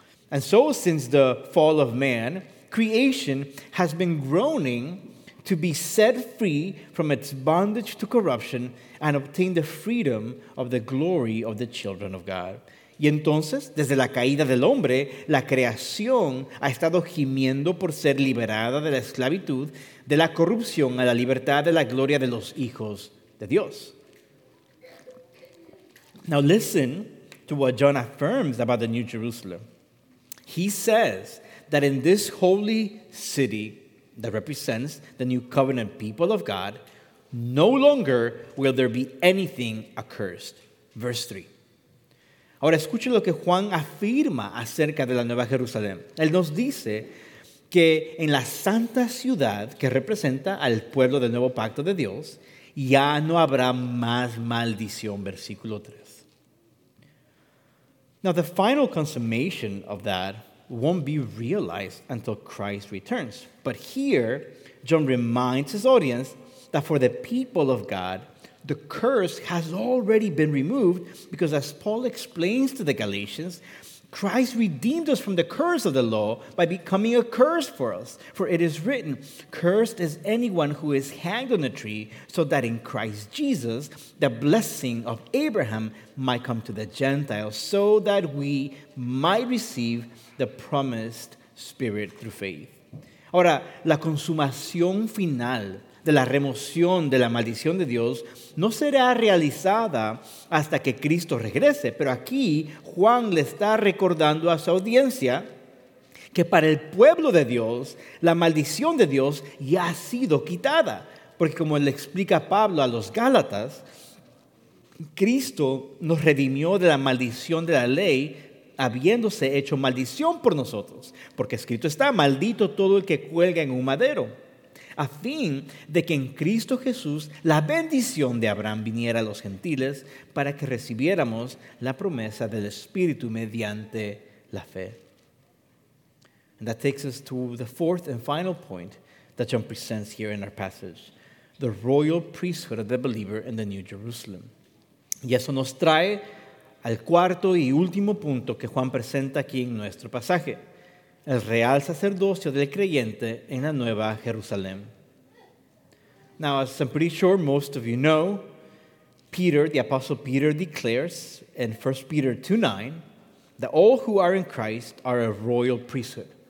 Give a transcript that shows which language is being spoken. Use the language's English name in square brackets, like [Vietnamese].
[English] And so, since the fall of man, creation has been groaning to be set free from its bondage to corruption and obtain the freedom of the glory of the children of God. [Spanish] Y entonces, desde la caída del hombre, la creación ha estado gimiendo por ser liberada de la esclavitud, de la corrupción a la libertad de la gloria de los hijos de Dios. [English] Now listen to what John affirms about the New Jerusalem. He says that in this holy city that represents the new covenant people of God, no longer will there be anything accursed. Verse 3. [Spanish] Ahora escuchen lo que Juan afirma acerca de la Nueva Jerusalén. Él nos dice que en la santa ciudad que representa al pueblo del nuevo pacto de Dios, ya no habrá más maldición. Versículo 3. [English] Now, the final consummation of that won't be realized until Christ returns. But here, John reminds his audience that for the people of God, the curse has already been removed because, as Paul explains to the Galatians, Christ redeemed us from the curse of the law by becoming a curse for us. For it is written, "Cursed is anyone who is hanged on a tree, so that in Christ Jesus the blessing of Abraham might come to the Gentiles, so that we might receive the promised Spirit through faith." [Spanish] Ahora, la consumación final de la remoción de la maldición de Dios no será realizada hasta que Cristo regrese. Pero aquí Juan le está recordando a su audiencia que para el pueblo de Dios, la maldición de Dios ya ha sido quitada. Porque como le explica Pablo a los Gálatas, Cristo nos redimió de la maldición de la ley, habiéndose hecho maldición por nosotros. Porque escrito está, maldito todo el que cuelga en un madero, a fin de que en Cristo Jesús la bendición de Abraham viniera a los gentiles para que recibiéramos la promesa del Espíritu mediante la fe. [English] And that takes us to the fourth and final point that John presents here in our passage, the royal priesthood of the believer in the New Jerusalem. [Spanish] Y eso nos trae al cuarto y último punto que Juan presenta aquí en nuestro pasaje, el real sacerdocio del creyente en la Nueva Jerusalén. [English] Now, as I'm pretty sure most of you know, Peter, the Apostle Peter, declares in 1 Peter 2:9 that all who are in Christ are a royal priesthood.